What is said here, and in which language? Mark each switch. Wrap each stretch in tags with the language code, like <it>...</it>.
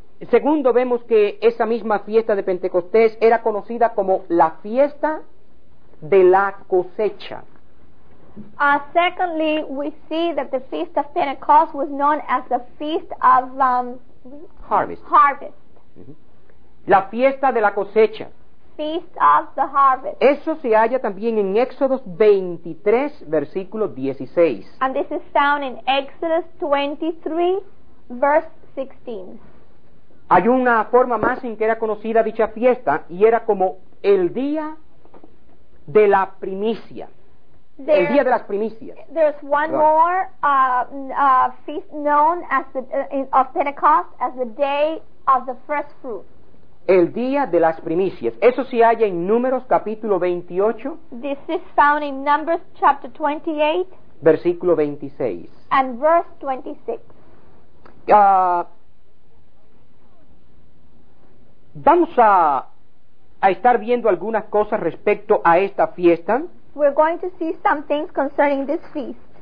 <es>Segundo, vemos que esa misma fiesta de Pentecostés era conocida como la fiesta de la cosecha.</es> <en>Secondly, we see that the feast of Pentecost was known as the feast of harvest. Harvest.</en> <es>La fiesta de la cosecha.</es> <en>Feast of the harvest.</en> <es>Eso se halla también en Éxodo 23, versículo 16.</es> <en>And this is found in Exodus 23, verse 16.</en> <es>Hay una forma más en que era conocida dicha fiesta, y era como el día de la primicia. El día de las primicias.</es> <en>There's one more feast known as the of Pentecost as the day of the first fruit.</en> <es>El día de las primicias. Eso se halla en Números capítulo 28.</es> <en>This is found in Numbers chapter 28.</en> <es>Versículo 26.</es> <en>And verse 26.</en> <es>Vamos a estar viendo algunas cosas respecto a esta fiesta.</es> <en>We're going to see some things concerning this feast.</en>